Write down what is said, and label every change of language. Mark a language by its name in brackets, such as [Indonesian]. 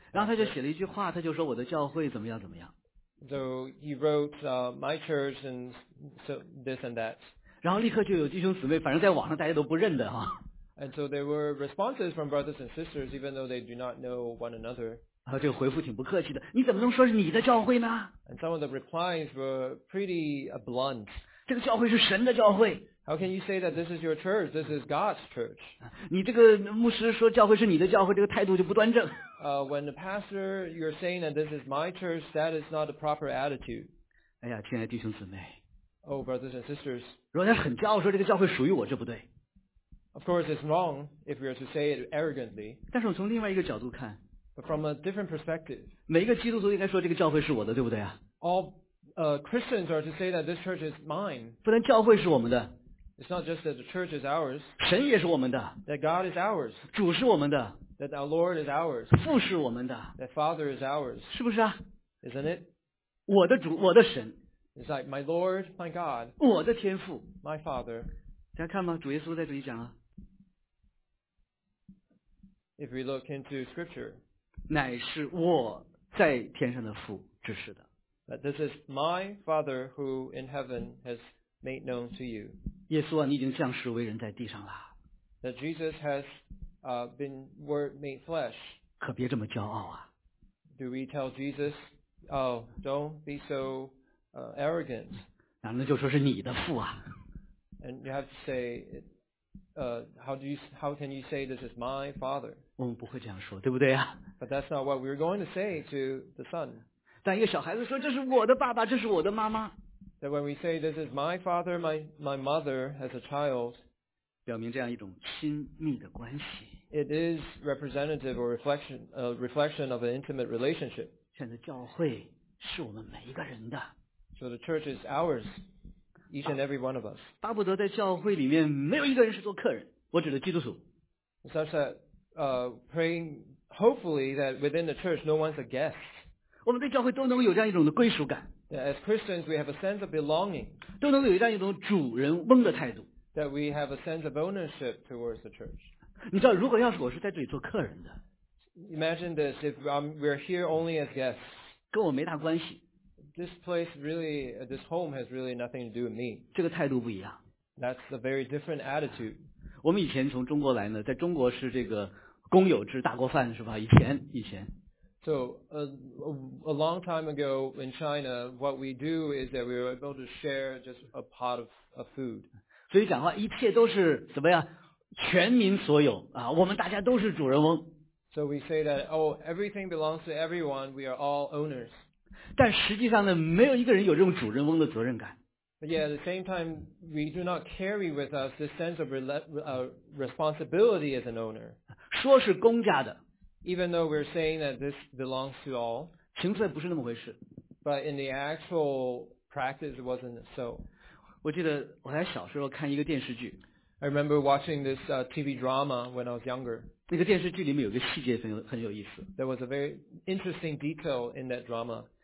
[Chinese] 然后他就写了一句话，他就说我的教会怎么样怎么样。 [English] So he wrote, my church and so this and that. [Chinese] 然后立刻就有弟兄姊妹，反正在网上大家都不认的哈。 [English] And so there were responses from brothers and sisters, even though they do not know one another. [Chinese] 然后这个回复挺不客气的，你怎么能说是你的教会呢 [English] ？And some of the replies were pretty blunt. [Chinese] 这个教会是神的教会。 [English] How can you say that this is your church? This is God's church. [Chinese] 你这个牧师说教会是你的教会，这个态度就不端正。 [English] When the pastor you're saying that this is my church, that is not the proper attitude. [Chinese] 哎呀，亲爱的弟兄姊妹。 [English] Oh, brothers and sisters. [Chinese] 如果他很骄傲说这个教会属于我，这不对。 [English] Of course, it's wrong if we are to say it arrogantly. [Chinese] 但是我从另外一个角度看。 [English] But from a different perspective. [Chinese] 每一个基督徒应该说这个教会是我的，对不对啊 [English] ？All Christians are to say that this church is mine. [Chinese] 不能教会是我们的。 [English] It's not just that the church is ours. [Chinese] 神也是我们的。 [English] That God is ours. [Chinese] 主是我们的。 [English] That our Lord is ours. [Chinese] 父是我们的。 [English] That Father is ours. [Chinese] 是不是啊 [English] ？Isn't it? [Chinese] 我的主，我的神。 [English] It's like my Lord, my God. [Chinese] 我的天父。 [English] My Father. [Chinese] 大家看吗？主耶稣在这里讲啊。 [English] If we look into Scripture. [Chinese] 乃是我在天上的父指示的。 [English] But this is my Father who in heaven has made known to you. [Chinese] 耶稣啊，你已经降世为人在地上了。 [English] That Jesus has been word made flesh. [Chinese] 可别这么骄傲啊。 [English] Do we tell Jesus, oh, don't be so arrogant. [Chinese] 那就说是你的父啊。 [English] And you have to say, how can you say this is my Father? [Chinese] 我们不会这样说，对不对啊？ [English] But that's not what we're going to say to the son. [Chinese] 但一个小孩子说这是我的爸爸，这是我的妈妈。 [English] That when we say this is my father, my mother as a child, [Chinese] 表明这样一种亲密的关系。 [English] It is representative or reflection of an intimate relationship. [Chinese] 现在教会是我们每一个人的。 [English] So the church is ours, each and every one of us. [Chinese] 巴不得在教会里面没有一个人是做客人，我指的基督徒。 [English] Such that, praying. Hopefully that within the church, no one's a guest. [Chinese] 我们对教会都能有这样一种的归属感。 [English] As Christians, we have a sense of belonging. [Chinese] 都能有这样一种主人翁的态度。 [English] That we have a sense of ownership towards the church. [Chinese] 你知道，如果要是我是在这里做客人的 [English] ，Imagine this, if we're here only as guests. [Chinese] 跟我没大关系。 [English] This place really, this home has really nothing to do with me. [Chinese] 这个态度不一样。 [English] That's a very different attitude. [Chinese] 我们以前从中国来呢，在中国是这个。公有制大锅饭是吧？以前。 [English] So a long time ago in China, what we do is that we were able to share just a pot of a food. [Chinese] 所以讲话一切都是怎么样？全民所有啊，我们大家都是主人翁。 [English] So we say that everything belongs to everyone. We are all owners. [Chinese] 但实际上呢，没有一个人有这种主人翁的责任感。 [English] But yet at the same time, we do not carry with us this sense of responsibility as an owner. [Chinese] 说是公家的 [English] Even though we're saying that this belongs to all. [Chinese] 情分不是那么回事 [English] But in the actual practice, it wasn't so. [Chinese] 我记得我在小时候看一个电视剧 [English] I remember watching this TV drama when I was younger. [Chinese] 那个电视剧里面有个细节很有意思 [English] There was a very interesting detail in that drama.